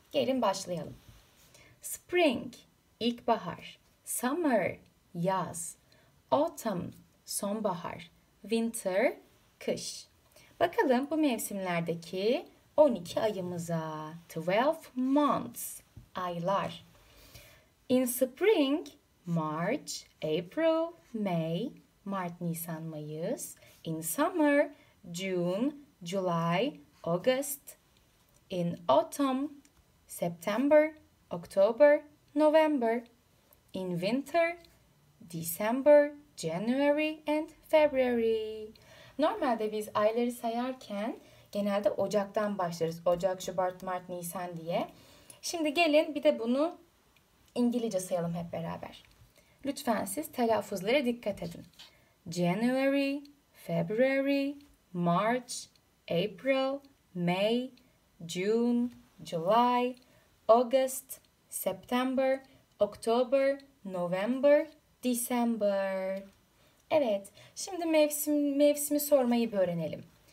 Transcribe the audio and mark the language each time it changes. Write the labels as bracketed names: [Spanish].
[Turkish] Gelin başlayalım. Spring, ilkbahar. Summer, yaz. Autumn, sonbahar. Winter, kış. Bakalım bu mevsimlerdeki 12 ayımıza. [English] 12 months, aylar. In spring, March, April, May, [Turkish] Mart, Nisan, Mayıs. [English] In summer, June, July, August. In autumn, September, October, November. In winter, December, January and February. [Turkish] Normalde biz ayları sayarken genelde Ocak'tan başlarız. Ocak, Şubat, Mart, Nisan diye. Şimdi gelin bir de bunu İngilizce sayalım hep beraber. Lütfen siz telaffuzlara dikkat edin. [English] January, February, March, April, May, June, July, August, September, October, November, December. [Turkish] Evet, şimdi mevsimi sormayı bir öğrenelim.